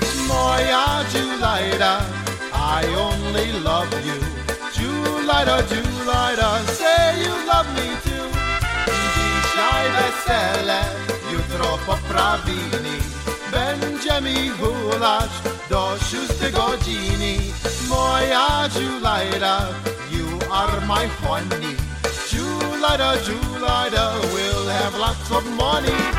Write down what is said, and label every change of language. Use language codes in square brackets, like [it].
[en] Moya Julaida, I only love you. Julaida, Julaida, say you love me too. [pl] Dzisiaj wesele, jutro poprawini. Będziemy hulać do szóstej godziny. [en] Moya Julaida, you are my honey. Julaida, Julaida, we'll have lots of money.